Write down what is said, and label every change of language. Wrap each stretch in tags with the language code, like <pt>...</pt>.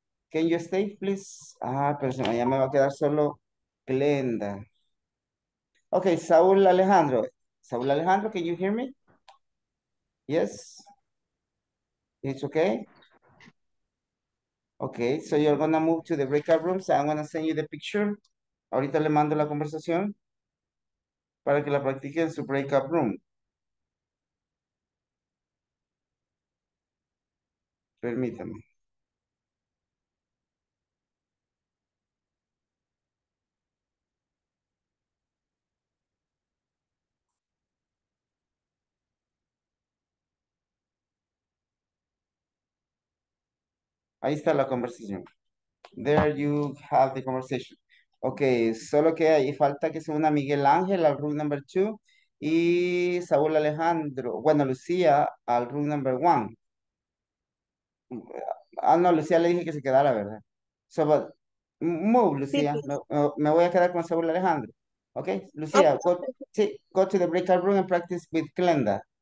<en>Can you stay, please?</en> <es>Ah, pero se me, ya me va a quedar solo Glenda.</es> <en>Okay, Saúl Alejandro. Saúl Alejandro, can you hear me? Yes. It's okay. Okay, so you're gonna move to the breakout rooms. I'm gonna send you the picture.</en> <es>Ahorita le mando la conversación para que la practique en su breakout room. Permítame. Ahí está la conversación.</es> <en>There you have the conversation.</en> <es>Okay, solo que ahí falta que se una Miguel Ángel al</es> <en>room number two</en> <es>y Saúl Alejandro, bueno, Lucía al</es> <en>room number one.</en> <es>Ah, no, Lucía le dije que se quedara, ¿verdad?</es> <en>So, but move,</en> <es>Lucía. Sí. Me voy a quedar con Saúl Alejandro.</es> <en>Okay, Lucía, go to the breakout room and practice with Glenda.</en>